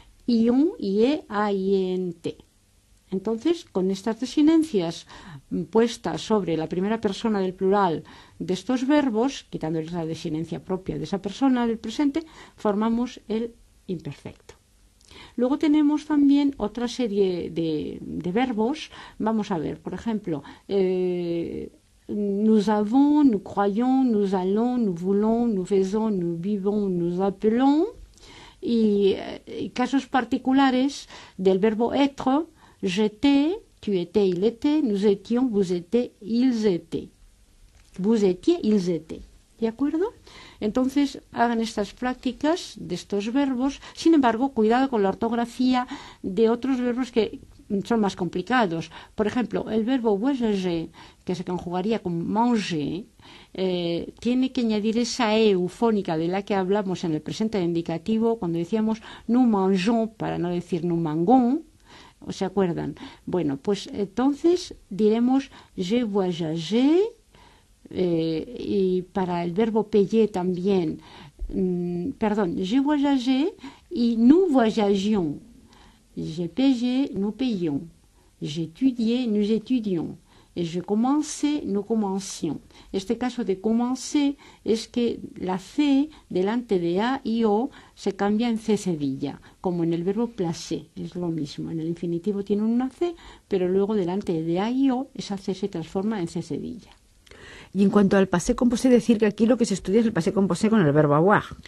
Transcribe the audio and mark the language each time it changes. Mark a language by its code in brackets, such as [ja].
[es] IUN, IE, A, I, E, N, T. Entonces, con estas desinencias puestas sobre la primera persona del plural de estos verbos, quitándoles la desinencia propia de esa persona del presente, formamos el imperfecto. Luego tenemos también otra serie de verbos. Vamos a ver, por ejemplo, [fr] nous avons, nous croyons, nous allons, nous voulons, nous faisons, nous vivons, nous appelons. [es] Y casos particulares del verbo [fr] être, j'étais, tu étais, il était, nous étions, vous étiez, ils étaient. Vous étiez, ils étaient. [es] ¿De acuerdo? Entonces, hagan estas prácticas de estos verbos. Sin embargo, cuidado con la ortografía de otros verbos que son más complicados. Por ejemplo, el verbo voyager, que se conjugaría con manger, tiene que añadir esa e eufónica de la que hablamos en el presente de indicativo cuando decíamos [fr] nous mangeons, [es] para no decir [fr] nous mangons. [es] ¿Se acuerdan? Bueno, pues entonces diremos [fr] je voyage. [es] Y para el verbo payer también, perdón, [fr] je voyage [es] y [fr] nous voyagions. J'ai payé, nous payons. J'étudiais, nous étudions. Et je commençais, nous commencions. [es] Este caso de commencer es que la C delante de A y O se cambia en C cedilla, como en el verbo placer, es lo mismo. En el infinitivo tiene una C, pero luego delante de A y O esa C se transforma en C cedilla. Y en cuanto al passé composé, decir que aquí lo que se estudia es el passé composé con el verbo avoir.